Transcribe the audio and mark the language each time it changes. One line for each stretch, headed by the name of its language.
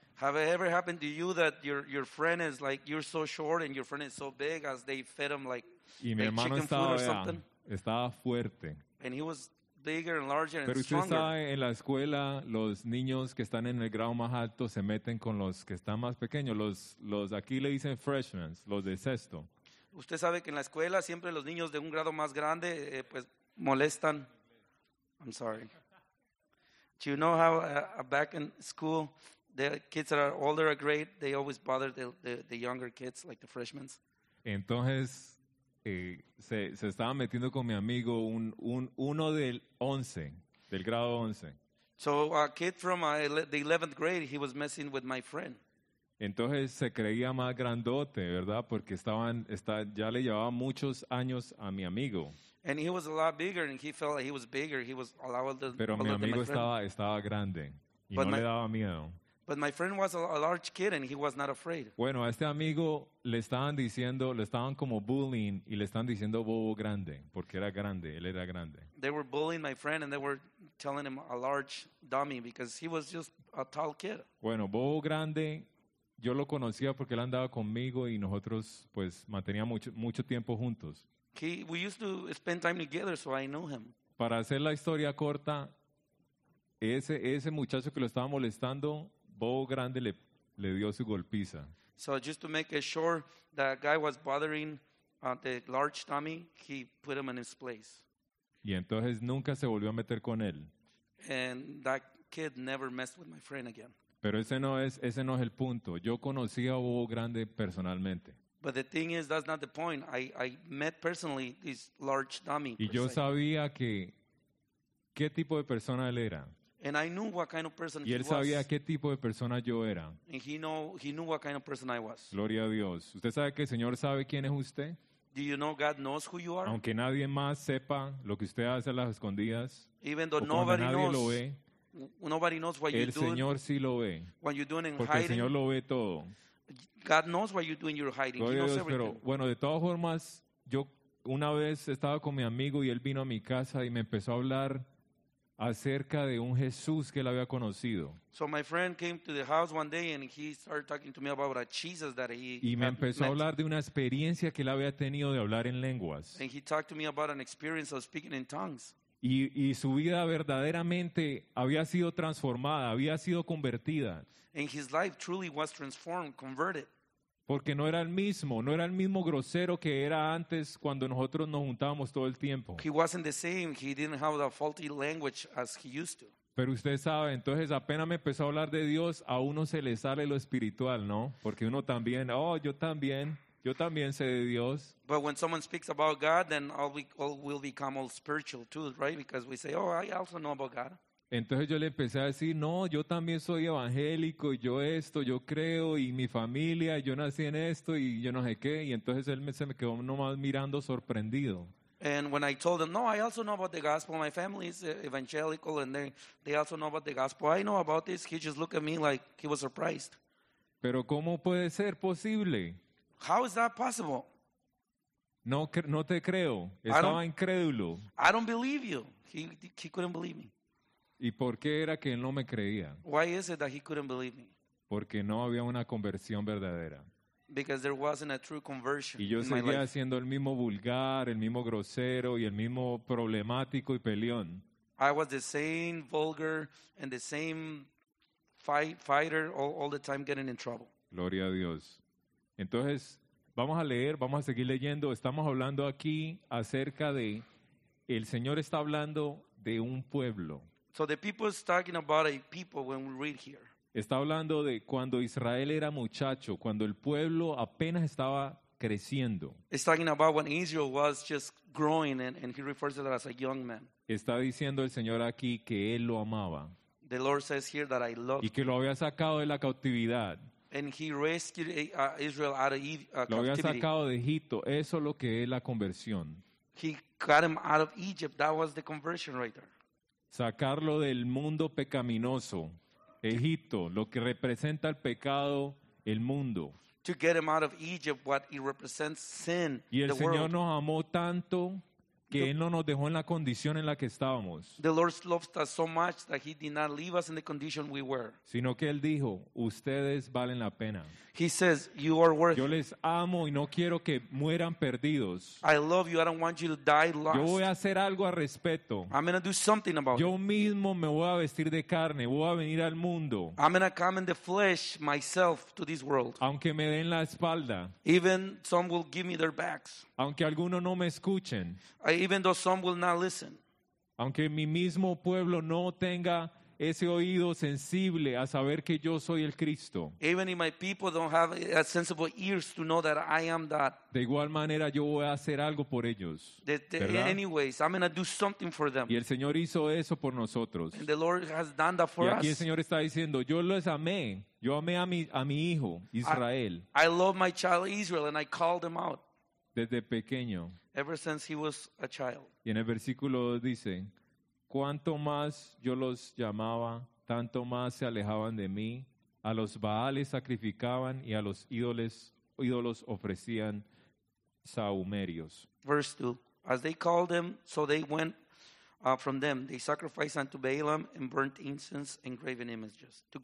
English: Have it ever happened to you that your friend is like, you're so short and your friend is so big as they fed him like chicken food or something?
Spanish: Y mi hermano estaba, estaba fuerte.
English: And he was bigger and larger and
Spanish: pero usted
English: stronger.
Spanish: Sabe, en la escuela, los niños que están en el grado más alto se meten con los que están más pequeños. Los aquí le dicen freshmen, los de sexto. Usted sabe que en la escuela siempre los niños de un grado más grande pues molestan.
English: I'm sorry. Do you know how back in school the kids that are older are great, they always bother the younger kids like the freshmen?
Spanish: Entonces se estaba metiendo con mi amigo uno del 11, del grado 11.
English: So a kid from the 11th grade, he was messing with my friend.
Spanish: Entonces se creía más grandote, ¿verdad? Porque ya le llevaba muchos años a mi amigo.
English: And he was a lot bigger and he felt like he was bigger. He was a lot older than my friend.
Spanish: Pero mi amigo estaba grande y no le daba miedo.
English: But my friend was a large kid and he was not afraid.
Spanish: Bueno, a este amigo le estaban como bullying y le estaban diciendo bobo grande porque era grande, él era grande.
English: They were bullying my friend and they were telling him a large dummy because he was just a tall kid.
Spanish: Bueno, bobo grande. Yo lo conocía porque él andaba conmigo y nosotros pues manteníamos mucho tiempo juntos.
English: We used to spend time together, so I knew him.
Spanish: Para hacer la historia corta, ese muchacho que lo estaba molestando, bobo grande le dio su golpiza.
English: So just to make it short, that guy was bothering the large tummy, he put him in his place.
Spanish: Y entonces nunca se volvió a meter con él.
English: And that kid never messed with my friend again.
Spanish: Pero ese no es el punto. Yo conocí a Bobo Grande personalmente.
English: But the thing is, that's not the point. I met personally this large dummy.
Spanish: Y yo sabía que qué tipo de persona él era.
English: And I knew what kind of person he was.
Spanish: Y él sabía qué tipo de persona yo era.
English: And he knew what kind of person I was.
Spanish: Gloria a Dios. ¿Usted sabe que el Señor sabe quién es usted?
English: Do you know God knows who you are?
Spanish: Aunque nadie más sepa lo que usted hace a las escondidas.
English: Even though nobody
Spanish: nadie
English: knows.
Spanish: Lo ve,
English: nobody knows what you're doing.
Spanish: El Señor sí lo ve.
English: What you're doing in
Spanish: porque
English: hiding.
Spanish: El Señor lo ve todo.
English: God knows what you're doing. You're hiding.
Spanish: Gloria
English: He knows
Spanish: Dios,
English: everything.
Spanish: Pero, bueno, de todas formas, yo una vez estaba con mi amigo y él vino a mi casa y me empezó a hablar acerca de un Jesús que él había conocido.
English: So my friend came to the house one day and he started talking to me about a Jesus that he
Spanish: y me empezó
English: met.
Spanish: A hablar de una experiencia que él había tenido de hablar en lenguas.
English: And he talked to me about an experience of speaking in tongues.
Spanish: Y su vida verdaderamente había sido transformada, había sido convertida.
English: And his life truly was transformed, converted.
Spanish: Porque no era el mismo, no era el mismo grosero que era antes cuando nosotros nos juntábamos todo el tiempo.
English: He wasn't the same, he didn't have the faulty language as he used to.
Spanish: Pero usted sabe, entonces apenas me empezó a hablar de Dios, a uno se le sale lo espiritual, ¿no? Porque uno también, oh, yo también sé de Dios.
English: But when someone speaks about God, then all will become all spiritual too, right? Because we say, oh, I also know about God.
Spanish: Entonces yo le empecé a decir, no, yo también soy evangélico, yo esto, yo creo, y mi familia, yo nací en esto, y yo no sé qué. Y entonces él se me quedó nomás mirando sorprendido.
English: And when I told him, no, I also know about the gospel, my family is evangelical, and they also know about the gospel, I know about this, he just looked at me like he was surprised.
Spanish: Pero ¿cómo puede ser posible?
English: How is that possible?
Spanish: No te creo, estaba incrédulo.
English: I don't believe you. He couldn't believe me.
Spanish: ¿Y por qué era que él no me creía?
English: Why is it that he couldn't believe me?
Spanish: Porque no había una conversión verdadera.
English: Because there wasn't a true conversion.
Spanish: Y yo seguía siendo el mismo vulgar, el mismo grosero y el mismo problemático y peleón.
English: I was the same vulgar and the same fighter all the time getting in trouble.
Spanish: Gloria a Dios. Entonces, vamos a leer, vamos a seguir leyendo. Estamos hablando aquí acerca de el Señor está hablando de un pueblo.
English: So the people is talking about a people when we read here.
Spanish: Está hablando de cuando Israel era muchacho, cuando el pueblo apenas estaba creciendo.
English: It's talking about when Israel was just growing and he refers to that as a young man.
Spanish: Está diciendo el Señor aquí que él lo amaba.
English: The Lord says here that I love.
Spanish: Y que lo había sacado de la cautividad.
English: And he rescued Israel out of captivity.
Spanish: Lo había sacado de Egipto. Eso es lo que es la conversión.
English: He got him out of Egypt. That was the conversion right there.
Spanish: Sacarlo del mundo pecaminoso. Egipto, lo que representa el pecado, el mundo.
English: To get him out of Egypt, what it represents, sin, the world.
Spanish: Y el Señor nos amó tanto que Él no nos dejó en la condición en la que estábamos.
English: The Lord loved us so much that He did not leave us in the condition we were.
Spanish: Sino que Él dijo, ustedes valen la pena.
English: He says, you are worth it.
Spanish: Yo les amo y no quiero que mueran perdidos.
English: I love you, I don't want you to die lost.
Spanish: Yo voy a hacer algo al respeto.
English: I'm going to do something about it.
Spanish: Yo mismo me voy a vestir de carne, voy a venir al mundo.
English: I'm going to come in the flesh myself to this world.
Spanish: Aunque me den la espalda.
English: Even some will give me their backs.
Spanish: Aunque algunos no me escuchen.
English: Even though some will not listen.
Spanish: Aunque mi mismo pueblo no tenga ese oído sensible a saber que yo soy el Cristo.
English: Even if my people don't have a sensible ears to know that I am that.
Spanish: De igual manera yo voy a hacer algo por ellos.
English: Anyways, I'm going to do something for them.
Spanish: Y el Señor hizo eso por nosotros.
English: And the Lord has done that for us.
Spanish: Y aquí
English: us.
Spanish: El Señor está diciendo, yo los amé. Yo amé a mi hijo, Israel.
English: I love my child Israel and I called him out.
Spanish: Desde pequeño.
English: Ever since he was a child.
Spanish: Y en el versículo 2 dice, cuanto más yo los llamaba, tanto más se alejaban de mí. A los Baales sacrificaban y a los ídolos ofrecían sahumerios.
English: Verse 2. As they called them, so they went from them. They sacrificed unto Balaam and burnt incense and graven images.